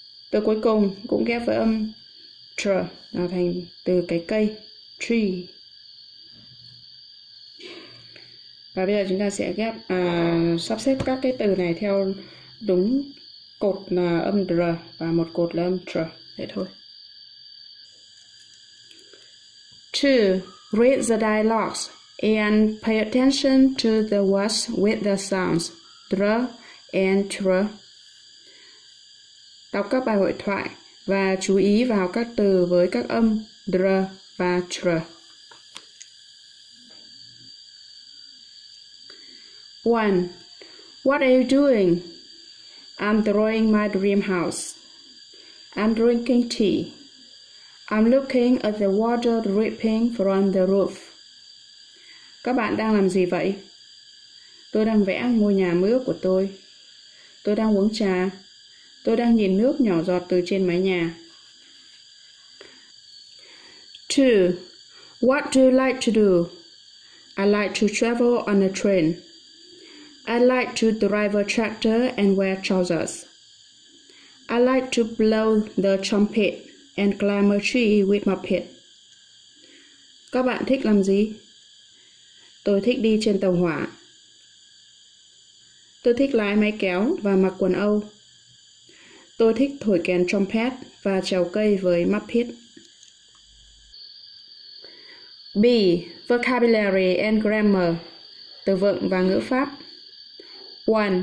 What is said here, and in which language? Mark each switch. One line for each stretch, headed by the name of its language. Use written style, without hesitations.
Vietnamese: Từ cuối cùng cũng ghép với âm tr là thành từ cái cây, tree. Và bây giờ chúng ta sẽ ghép sắp xếp các cái từ này theo Đúng, cột là âm R và một cột là âm tr, thế thôi.
English: Two, read the dialogues and pay attention to the words with the sounds dr and tr.
Vietnamese: Đọc các bài hội thoại và chú ý vào các từ với các âm dr và tr.
English: One, what are you doing? I'm drawing my dream house. I'm drinking tea. I'm looking at the water dripping from the roof.
Vietnamese: Các bạn đang làm gì vậy? Tôi đang vẽ ngôi nhà mơ ước của tôi. Tôi đang uống trà. Tôi đang nhìn nước nhỏ giọt từ trên mái nhà.
English: Two, what do you like to do? I like to travel on a train. I like to drive a tractor and wear trousers. I like to blow the trumpet and climb a tree with my pet.
Vietnamese: Các bạn thích làm gì? Tôi thích đi trên tàu hỏa. Tôi thích lái máy kéo và mặc quần Âu. Tôi thích thổi kèn trumpet và trèo cây với mắt pet. B.
English: Vocabulary and grammar.
Vietnamese: Từ vựng và ngữ pháp. 1.